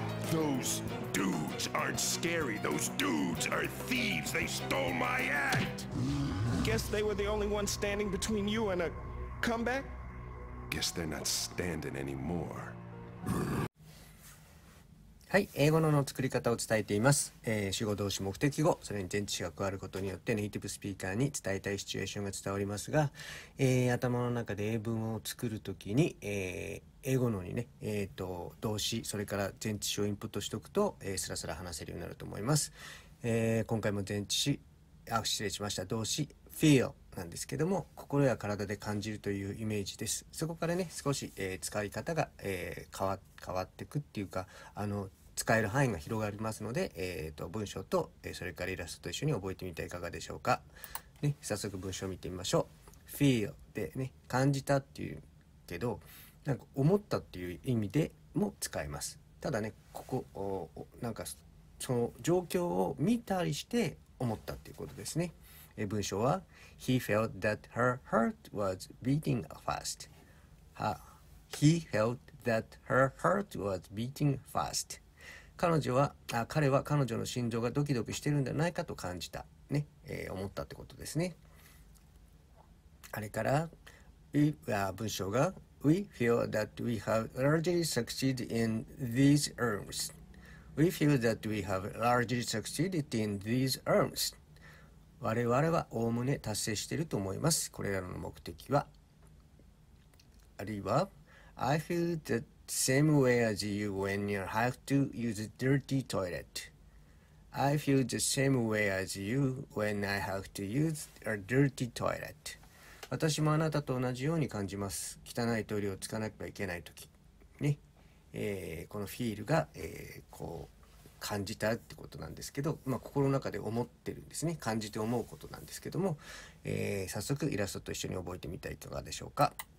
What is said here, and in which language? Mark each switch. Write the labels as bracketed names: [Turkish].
[English] Those dudes aren't scary. Those dudes are thieves. They stole my act. Guess they were the only ones standing between you and a comeback? Guess they're not standing anymore. [Japanese] はい、英語の脳作り方を伝えています。主語動詞目的語、それに前置詞が加わることによってネイティブスピーカーに伝えたいシチュエーションが伝わりますが、頭の中で英文を作るときに、英語脳にね、動詞、それから前置詞をインプットしておくと、スラスラ話せるようになると思います。今回も前置詞、失礼しました、動詞、feel なんですけども、心や体で感じるというイメージです。そこからね、少し、使い方が、変わっていくっていうか、使える範囲が広がりますので、文章と、それからイラストと一緒に覚えてみてはいかがでしょうか。ね、早速文章を見てみましょう。feel でね、感じたっていうけど、なんか思ったっていう意味でも使えます。ただね、ここ、なんかその状況を見たりして思ったっていうことですね。文章は [English] He felt that her heart was beating fast. He felt that her heart was beating fast. [Japanese] 彼は彼女の心臓がドキドキしてるんじゃないかと感じた。ね、思ったってことですね。あれから、文章が [English] We feel that we have largely succeeded in these arms. We feel that we have largely succeeded in these arms. [Japanese] 我々は概ね達成していると思います。これらの目的は。あるいは、 [English] I feel the same way as you when you have to use a dirty toilet. I feel the same way as you when I have to use a dirty toilet. [Japanese] 私もあなたと同じように感じます。汚いトイレを使わなければいけないとき、ね、このフィールが、こう感じたってことなんですけど、まあ、心の中で思ってるんですね。感じて思うことなんですけども、早速イラストと一緒に覚えてみたいかがでしょうか。